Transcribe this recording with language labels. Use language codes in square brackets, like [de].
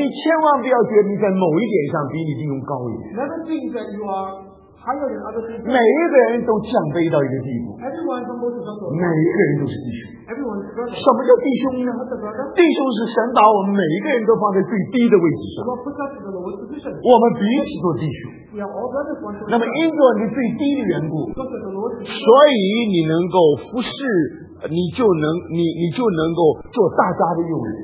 [zh] 你千万不要觉得你在某一点上比你弟兄高一点。 [en] Never think that you are higher than other people. [zh] 每一个人都降卑到一个地步。 [en] Everyone from both sides. [zh] 每一个人都是弟兄。 [en] Everyone's、 [zh] 什么叫弟兄呢？弟兄是神把我们每一个人都放在最低的位置上。我们彼此做弟兄。那么因着你最低的缘故，所以你能够服侍，你就能够做大家的用人。